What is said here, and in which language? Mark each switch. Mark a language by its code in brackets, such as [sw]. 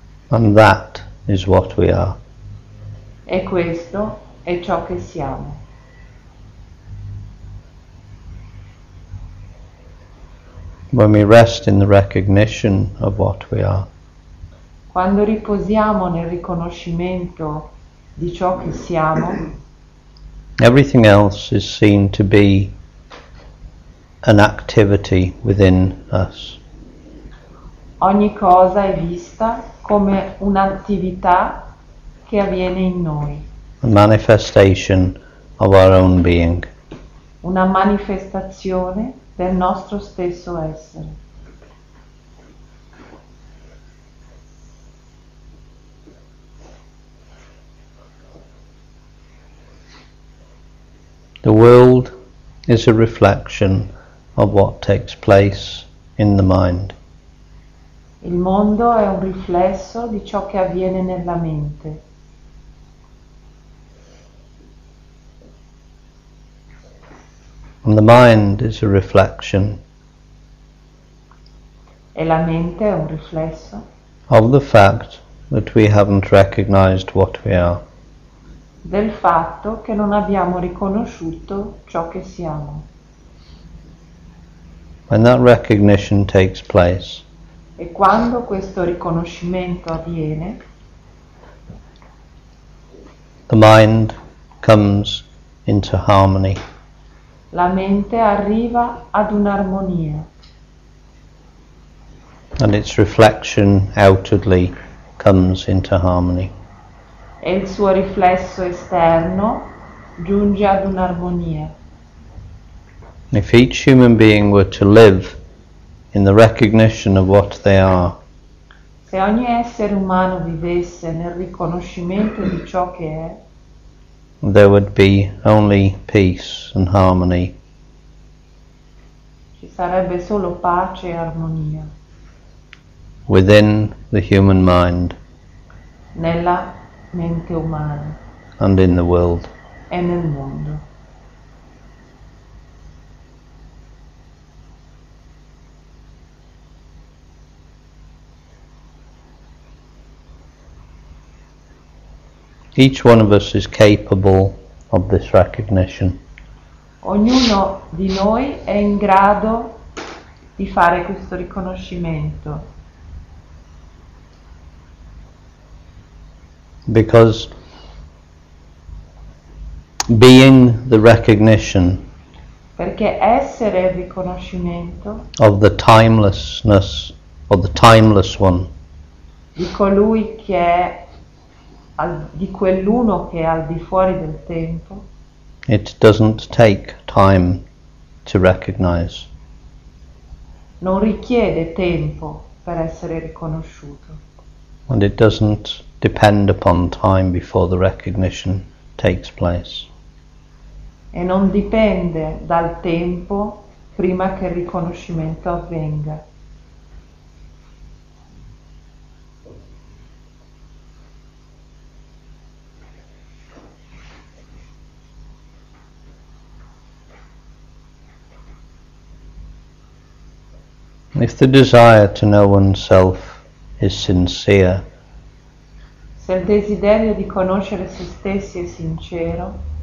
[en] And that is what we are. [it] E questo è ciò che siamo. [en] When we rest in the recognition of what we are. [it] Quando riposiamo nel riconoscimento di ciò che siamo. [en] Everything else is seen to be an activity within us. [it] Ogni cosa è vista come un'attività che avviene in noi. [en] A manifestation of our own being. [it] Una manifestazione del nostro stesso essere. [en] The world is a reflection of what takes place in the mind. [it] Il mondo è un riflesso di ciò che avviene nella mente. [en] And the mind is a reflection [it] E la mente è un riflesso [en] of the fact that we haven't recognized what we are. [it] del fatto che non abbiamo riconosciuto ciò che siamo. [en] When that recognition takes place, [it] E quando questo riconoscimento avviene, [en] the mind comes into harmony. [it] la mente arriva ad un'armonia. [en] And its reflection outwardly comes into harmony. [it] E il suo riflesso esterno giunge ad un'armonia. [en] If each human being were to live in the recognition of what they are, [it] Se ogni essere umano vivesse nel riconoscimento di ciò che [en] there would be only peace and harmony. [it] è, ci sarebbe solo pace e armonia [en] Within the human mind [it] nella mente umana [en] and in the world. [it] e nel mondo. [en] Each one of us is capable of this recognition. [it] Ognuno di noi è in grado di fare questo riconoscimento. [en] Because being the recognition [it] Perché essere il riconoscimento [en] of the timelessness of the timeless one. [it] di colui che è di quell'uno che è al di fuori del tempo, [en] It doesn't take time to recognize. [it] non richiede tempo per essere riconosciuto. [en] And it doesn't depend upon time before the recognition takes place. [it] E non dipende dal tempo prima che il riconoscimento avvenga. [en] If the desire to know oneself is sincere, [it] Se il desiderio di conoscere se stessi è sincero,